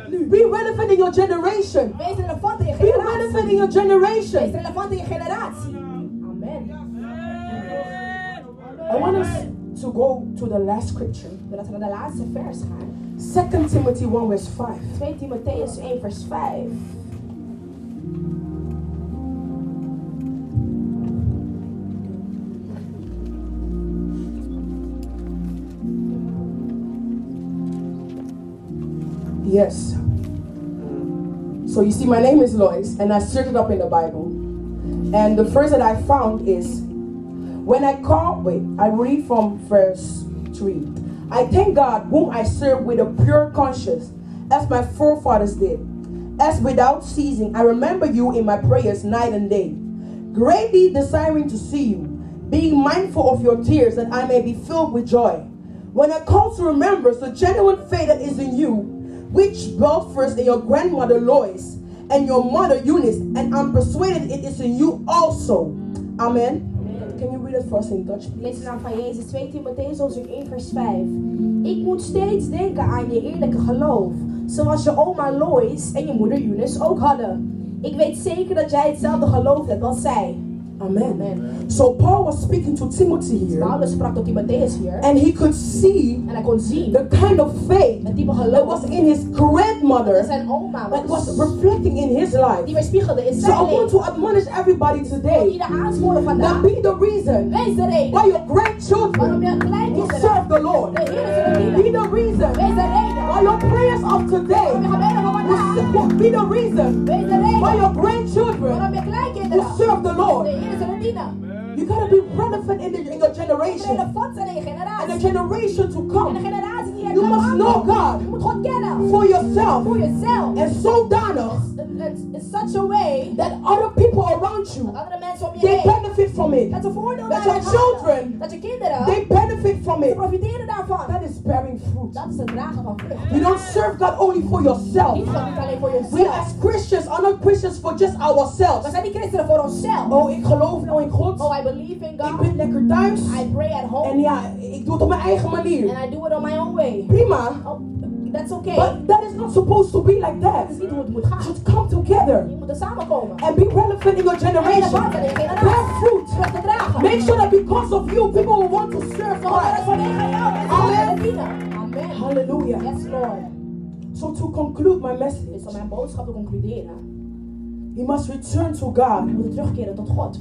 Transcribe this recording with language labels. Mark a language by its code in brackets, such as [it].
[en] Be relevant in your generation. Be relevant in your generation. Amen. I want us to go to the last scripture. [nl] Laten we naar de laatste vers gaan. [en] 2 Timothy 1 verse 5. [nl] 2 Timotheus 1 vers 5. [en] Yes. So you see, my name is Lois, and I searched it up in the Bible. And the verse that I found is, I read from verse 3. I thank God, whom I serve with a pure conscience, as my forefathers did, as without ceasing I remember you in my prayers night and day, greatly desiring to see you, being mindful of your tears, that I may be filled with joy. When I call to remembrance the genuine faith that is in you, which dwelt first in your grandmother Lois and your mother Eunice, and I'm persuaded it is in you also. Amen. Can you read it for us in Dutch, please? [nl] Lees de naam van Jezus, 2 Timotheus 1 vers 5. Ik moet steeds denken aan je eerlijke geloof, zoals je oma Lois en je moeder Eunice ook hadden. Ik weet zeker dat jij hetzelfde geloof hebt als zij. [en] Amen. Amen. So Paul was speaking to Timothy here. [nl] Paulus sprak tot Timotheus hier. [en] And he could see [nl] en hij kon zien [en] the kind of faith [nl] het type geloof [en] that was in his grandmother, [nl] zijn oma was, [en] that was reflecting in his life. [nl] Die weerspiegelde in zijn [en] so [nl] leven. [en] I want to admonish everybody today that be the reason why your grandchildren will serve the Lord. Be the reason why your prayers of today will be the reason why your grandchildren will serve the Lord. You gotta be relevant in your generation. And the generation to come. You must know God for yourself. And so Donna, in such a way that other people around you, they benefit from it. That your children, they benefit from it. That is bearing fruit. You don't serve God only for yourself. We as Christians are not Christians for just ourselves. [nl] We zijn niet christenen voor onszelf. Oh, ik geloof nou in God. [en] Oh, I believe in God. [nl] Ik ben lekker thuis. [en] I pray at home. [nl] En ja, ik doe het op mijn eigen manier. [en] And I do it on my own way. [nl] Prima. [en] That's okay. But that is not supposed to be like that. [nl] Dat is niet hoe het moet gaan. [en] You should come together. [nl] Je moet er samen komen. [en] And be relevant in your generation. Bear fruit. Make sure that because of you, people will want to serve God. Amen. Amen. Hallelujah. Yes, Lord. So to conclude my message. [nl] Is om mijn boodschap te concluderen. [en] We must return to God. [nl] We moeten terugkeren tot God.